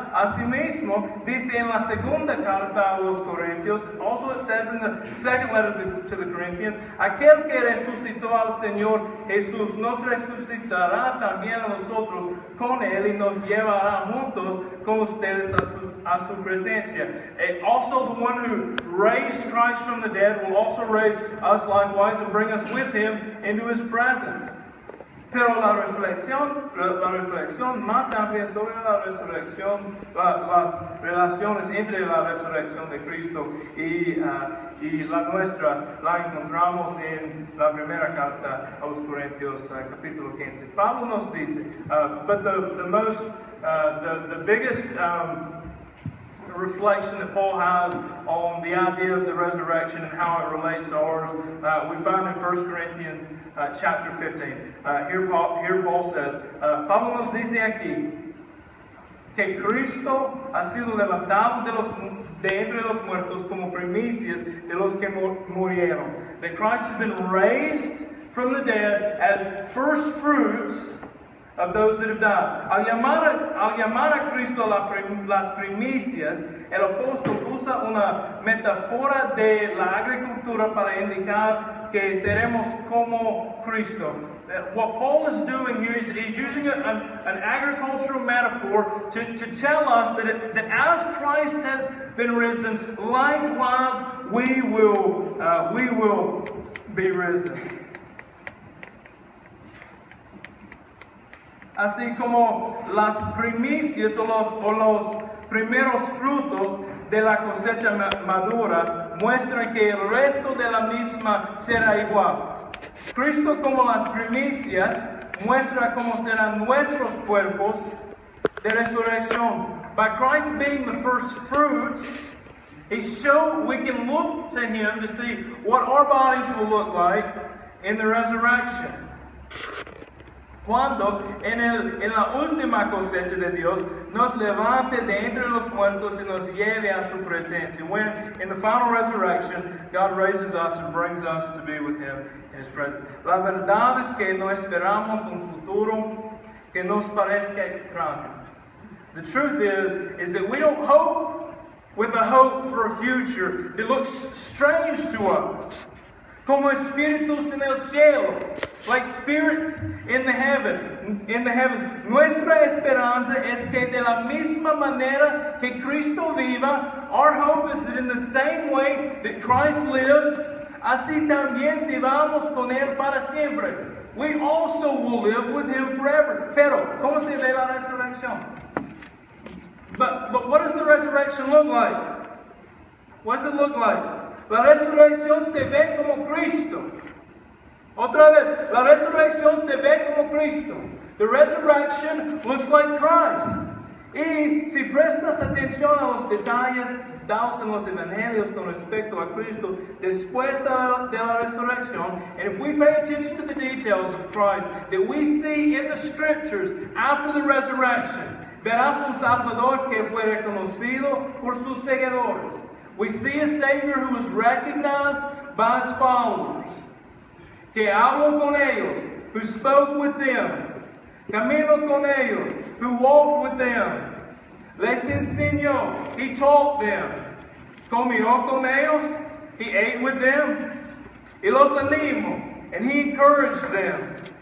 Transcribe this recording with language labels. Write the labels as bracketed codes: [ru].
[es] Asimismo, dice en la segunda carta a los Corintios, [en] also it says in the second letter to the Corinthians, [es] aquel que resucitó al Señor Jesús nos resucitará también a nosotros con él y nos llevará juntos con ustedes a su presencia. [en] And also the one who raised Christ from the dead will also raise us likewise and bring us with him into his presence. [es] Pero la reflexión más amplia sobre la resurrección, las relaciones entre la resurrección de Cristo y la nuestra, la encontramos en la primera carta a los Corintios, capítulo 15. Pablo nos dice, [en] but the biggest reflection that Paul has on the idea of the resurrection and how it relates to ours, we find in 1 Corinthians chapter 15. Here Paul says, [es] Pablo nos dice aquí que Cristo ha sido levantado de entre los muertos como primicias de los que murieron. [en] That Christ has been raised from the dead as first fruits of those that have died. [es] Al llamar a Cristo las primicias, el apóstol usa una metáfora de la agricultura para indicar que seremos como Cristo. [en] What Paul is doing here is he's using an agricultural metaphor to tell us that as Christ has been risen, likewise we will be risen. [es] Así como las primicias o los primeros frutos de la cosecha madura muestran que el resto de la misma será igual. Cristo como las primicias muestra cómo serán nuestros cuerpos de resurrección. [en] By Christ being the first fruits, we can look to him to see what our bodies will look like in the resurrection. [es] Cuando en la última cosecha de Dios nos levante de entre los muertos y nos lleve a su presencia. [en] When in the final resurrection, God raises us and brings us to be with him in his presence. [es] La verdad es que no esperamos un futuro que nos parezca extraño. [en] The truth is that we don't hope with a hope for a future that looks strange to us. [es] Como espíritus en el cielo, [en] like spirits in the heaven. [es] Nuestra esperanza es que de la misma manera que Cristo viva, [en] our hope is that in the same way that Christ lives, [es] así también vivamos con él para siempre. [en] We also will live with him forever. [es] Pero, ¿cómo se ve la resurrección? [en] But what does the resurrection look like? What does it look like? [es] La resurrección se ve como Cristo. Otra vez, la resurrección se ve como Cristo. [en] The resurrection looks like Christ. [es] Y si prestas atención a los detalles dados en los evangelios con respecto a Cristo después de la resurrección, [en] and if we pay attention to the details of Christ that we see in the scriptures after the resurrection, [es] verás un Salvador que fue reconocido por sus seguidores. [en] We see a Savior who was recognized by his followers, [es] que habló con ellos, [en] who spoke with them, [es] caminó con ellos, [en] who walked with them, [es] les enseñó, [en] he taught them, [es] comió con ellos, [en] he ate with them, [es] y los animó, [en] and he encouraged them.